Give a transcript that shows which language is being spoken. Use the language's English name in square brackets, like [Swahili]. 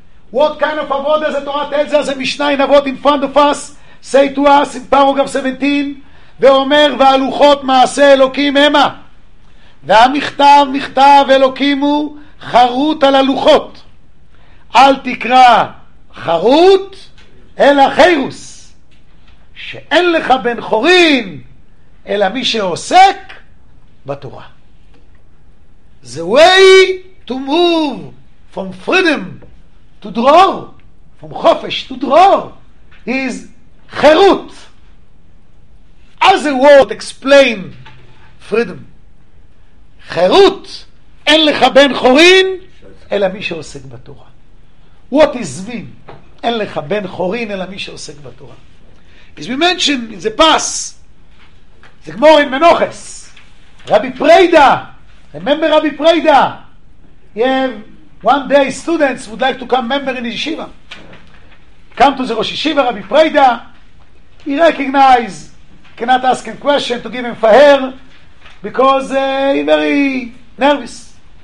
[English] What kind of avod does the Torah tell us? The Mishnah in Avot in front of us say to us in paragraph 17, [Hebrew] ואומר והלוחות מעשה אלוקים המה, והמכתב מכתב אלוקים הוא חרות על הלוחות. אל תקרא חרות אלא חירוס, שאין לך בן חורין אלא מי שעוסק בתורה. [English] The way to move from freedom to dror, from חופש to dror, is חירות. As a word explain freedom, [Hebrew] חירות, אין לך בן חורין אלא מי שעוסק בתורה. [English] What is mean? [Hebrew] אין לך בן חורין אלא מי שעוסק בתורה. [English] As we mentioned in the past, [Hebrew] זה כמו עם מנוחס, רבי פריידה. [English] Remember Rabbi Preida? Yeah, one day students would like to come member in Yeshiva. Come to the Rosh Yeshiva, Rabbi Preida. He recognized, cannot ask him question to give him faher, because he's very nervous.